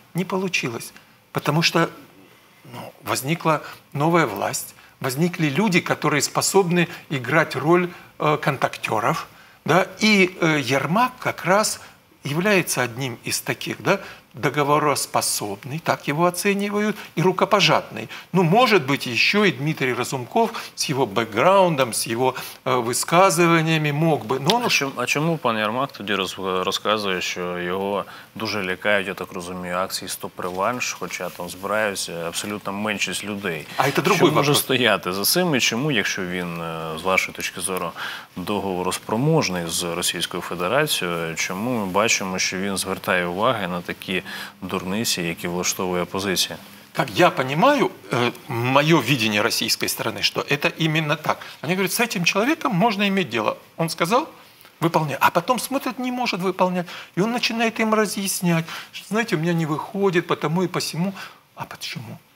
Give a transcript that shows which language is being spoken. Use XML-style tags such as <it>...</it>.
<ru>Не получилось, потому что возникла новая власть, возникли люди, которые способны играть роль контактеров, да? И Ермак как раз является одним из таких, да? Договороспособный, так его оценивают, и рукопожатный. Ну, может быть, еще и Дмитрий Разумков с его бэкграундом, с его высказываниями мог бы. Но он... А чему</ru> <uk>пан Ермак тоді</uk> <ru>рассказывает, что его</ru> <uk>дуже лякают, я так розумію, акції стоп-реванш, хоча там збираються абсолютно меншість людей.</uk> <ru>А это другой вопрос.</ru> <uk>Чому може стояти за цим, і чому, якщо він, з вашої точки зору, договороспроможний з Російською Федерацією, чому ми бачимо, що він звертає уваги на такі дурниці, які влаштовує опозиція?</uk> <ru>Как я понимаю, мое видение российской стороны, что это именно так. Они говорят, с этим человеком можно иметь дело. Он сказал, выполняй. А потом смотрит, не может выполнять. И он начинает им разъяснять, что, знаете, у меня не выходит, потому и посему. А почему?</ru>